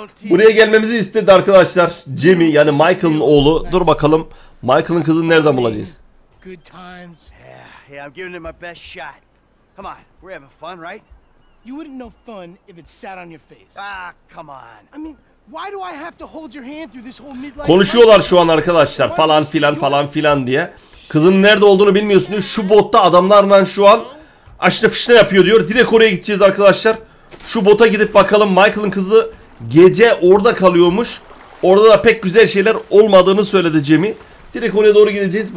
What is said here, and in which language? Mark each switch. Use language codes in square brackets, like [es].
[tr] Buraya gelmemizi istedi arkadaşlar. Jimmy yani Michael'ın oğlu. Dur bakalım. Michael'ın kızını nereden bulacağız? [en] Good times. Yeah, I'm giving it my best shot. Come on, we're having fun, right? You wouldn't know fun if it sat on your face. Ah, come on. I mean, why do I have to hold your hand through this whole midlife? [tr] Konuşuyorlar şu an arkadaşlar falan filan falan filan diye. Kızın nerede olduğunu bilmiyorsunuz. Şu botta adamlarla şu an aşırı fışta yapıyor diyor. Direkt oraya gideceğiz arkadaşlar. Şu bota gidip bakalım. Michael'ın kızı gece orada kalıyormuş. Orada da pek güzel şeyler olmadığını söyledi Jimmy. Direkt oraya doğru gideceğiz.